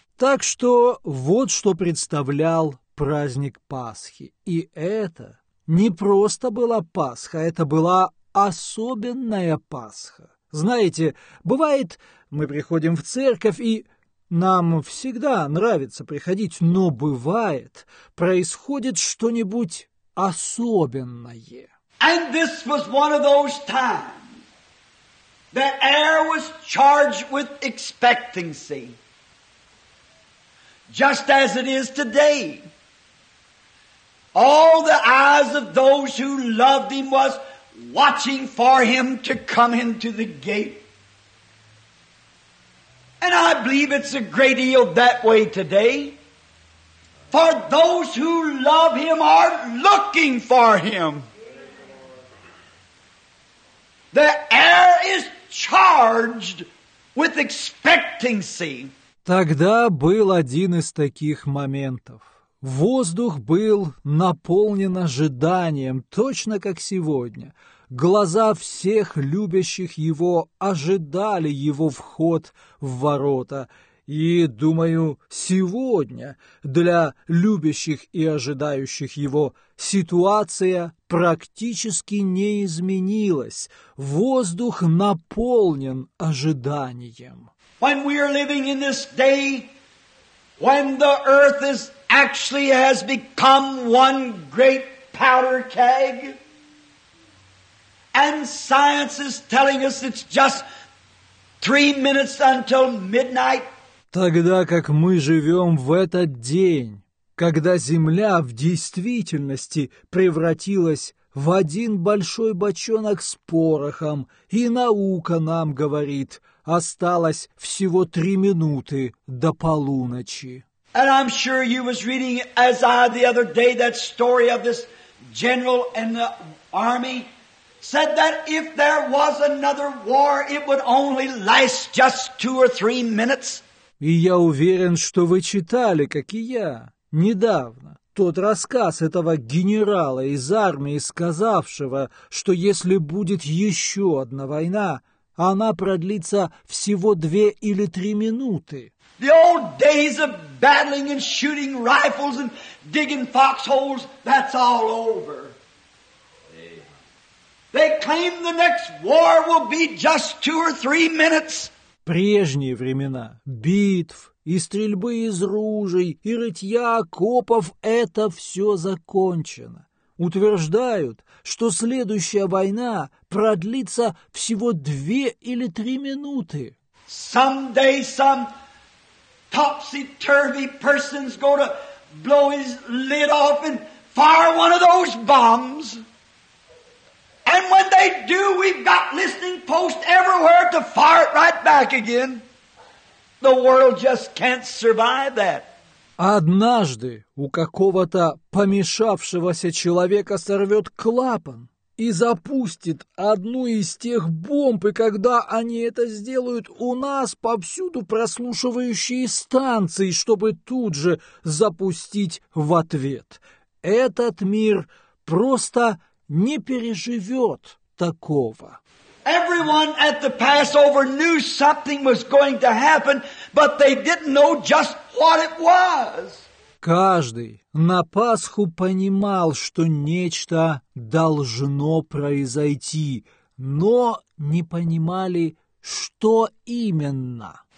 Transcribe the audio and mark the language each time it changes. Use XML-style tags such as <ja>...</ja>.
<ru>Так что вот что представлял праздник Пасхи. И это не просто была Пасха, это была особенная Пасха. Знаете, бывает, мы приходим в церковь, и нам всегда нравится приходить, но бывает, происходит что-нибудь особенное.</ru> <en>And this was one of those times. The air was charged with expectancy. Just as it is today. All the eyes of those who loved him was watching for him to come into the gate. And I believe it's a great deal that way today. For those who love him are looking for him. The air is charged with expectancy.</en> <ru>Тогда был один из таких моментов. Воздух был наполнен ожиданием, точно как сегодня. Глаза всех любящих Его ожидали Его вход в ворота. И, думаю, сегодня для любящих и ожидающих Его ситуация практически не изменилась. Воздух наполнен ожиданием.</ru> <en>When we are living in this day, when the earth is actually has become one great powder keg, and science is telling us it's just 3 minutes until midnight.</en> <ru>Тогда как мы живем в этот день, когда Земля в действительности превратилась в один большой бочонок с порохом, и наука нам говорит, осталось всего 3 минуты до полуночи.</ru> <en>And I'm sure you was reading, as I the other day, that story of this general and the army. Said that if there was another war, it would only last just 2 or 3 minutes.</en> <ru>И я уверен, что вы читали, как и я, недавно, тот рассказ этого генерала из армии, сказавшего, что если будет еще одна война, она продлится всего 2 или 3 минуты.</ru> <en>The old days of battling and shooting rifles and digging foxholes, that's all over. They claim the next war will be just 2 or 3 minutes.</en> <ru>прежние времена, битв и стрельбы из ружей, и рытья окопов — это все закончено. Утверждают, что следующая война продлится всего 2 или 3 минуты.</ru> <en>Someday some topsy-turvy person's gonna blow his lid off and fire one of those bombs. And when they do, we've got listening posts everywhere to fire it right back again. The world just can't survive that.</en> <ru>Однажды у какого-то помешавшегося человека сорвет клапан и запустит одну из тех бомб, и когда они это сделают, у нас повсюду прослушивающие станции, чтобы тут же запустить в ответ. Этот мир просто не переживет такого.</ru> <en>Everyone at the Passover knew something was going to happen, but they didn't know just what it was.</en> <ru>Каждый на Пасху понимал, что нечто должно произойти, но не понимали, что именно.</ru>